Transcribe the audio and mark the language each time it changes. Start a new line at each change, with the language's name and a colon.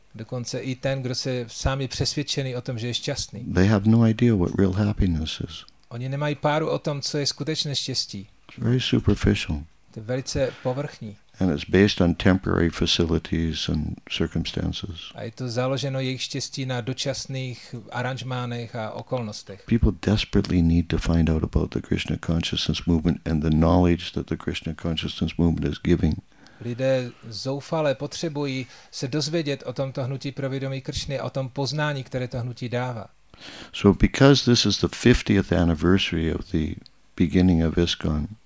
Czech: Dokonce i ten, kdo se sám je přesvědčený o tom, že je šťastný.
English: They have no idea what real happiness is.
Czech: Oni nemají páru o tom, co je skutečné štěstí.
English: It's very superficial.
Czech: To je velice povrchní.
English: And it's based on temporary facilities and circumstances.
Czech: A je to založeno jejich štěstí na dočasných aranžmánech a okolnostech.
English: People desperately need to find out about the Krishna consciousness movement and the knowledge that the Krishna consciousness movement is giving.
Czech: Lidé zoufale potřebují se dozvědět o tomto hnutí pro vědomí Kršny, o tom poznání, které to hnutí dává.
English: So because this is the 50th anniversary of the beginning of ISKCON.